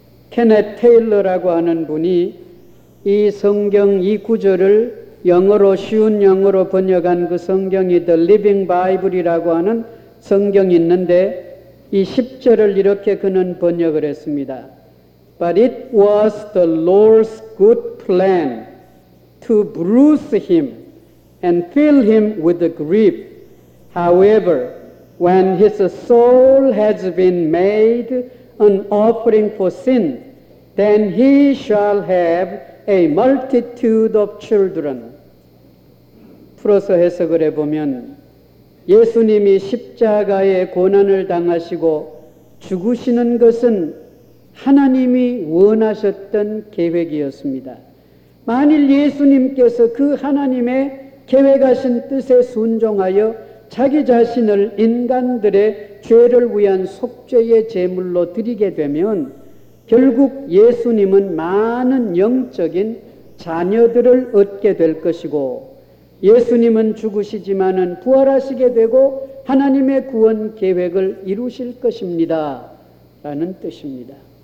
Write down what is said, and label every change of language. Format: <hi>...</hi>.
<ko>케넷 테일러라고 하는 분이 이 성경 이 구절을 영어로 쉬운 영어로 번역한 그 성경이 The Living Bible이라고 하는 성경이 있는데 이 10절을 이렇게 그는 번역을 했습니다.</ko> <en>But it was the Lord's good plan to bruise him and fill him with grief. However, when his soul has been made an offering for sin, then he shall have a multitude of children.</en> <ko>풀어서 해석을 해보면 예수님이 십자가에 고난을 당하시고 죽으시는 것은 하나님이 원하셨던 계획이었습니다. 만일 예수님께서 그 하나님의 계획하신 뜻에 순종하여 자기 자신을 인간들의 죄를 위한 속죄의 제물로 드리게 되면 결국 예수님은 많은 영적인 자녀들을 얻게 될 것이고 예수님은 죽으시지만은 부활하시게 되고 하나님의 구원 계획을 이루실 것입니다 라는 뜻입니다.</ko>